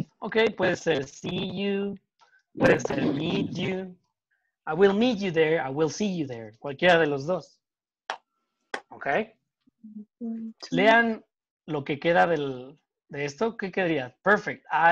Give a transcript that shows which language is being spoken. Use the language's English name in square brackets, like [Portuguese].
[Spanish] Ok, puede ser [English] see you, [Spanish] puede ser [English] meet you. I will meet you there, I will see you there. [Spanish] Cualquiera de los dos. Ok. Lean lo que queda de esto. ¿Qué quedaría? Perfect.